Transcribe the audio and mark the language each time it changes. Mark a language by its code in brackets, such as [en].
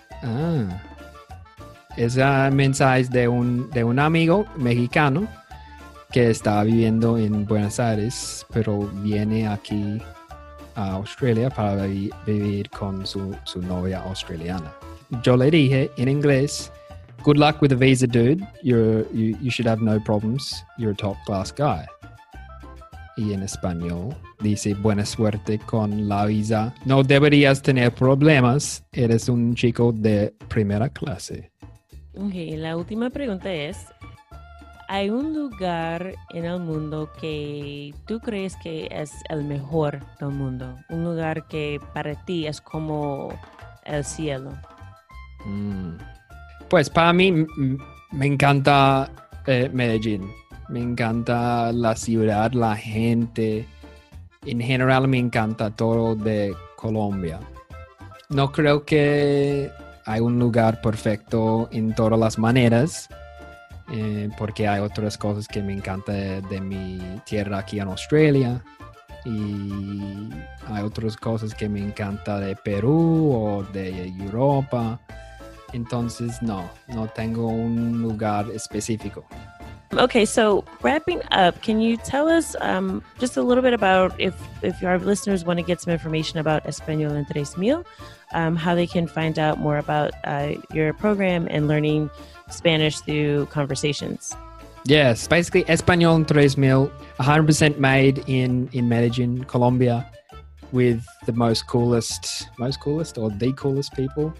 [es] Ah, ese mensaje es de un amigo mexicano que está viviendo en Buenos Aires, pero viene aquí a Australia para vivir con su novia australiana. Yo le dije en inglés, [en] good luck with the visa, dude. You should have no problems. You're a top class guy. [es] Y en español dice, buena suerte con la visa. No deberías tener problemas. Eres un chico de primera clase. Okay, la última pregunta es, ¿Hay un lugar en el mundo que tú crees que es el mejor del mundo? ¿Un lugar que para ti es como el cielo? Pues para mí me encanta Medellín. Me encanta la ciudad, la gente. En general me encanta todo de Colombia. No creo que hay un lugar perfecto en todas las maneras. Porque hay otras cosas que me encanta de mi tierra aquí en Australia y hay otras cosas que me encanta de Perú o de Europa. Entonces no tengo un lugar específico. [en] Okay, so wrapping up, can you tell us just a little bit about if our listeners want to get some information about Español en 3000, how they can find out more about your program and learning Spanish through conversations? Yes, basically Español en 3000, 100% made in Medellín, Colombia, with the coolest people.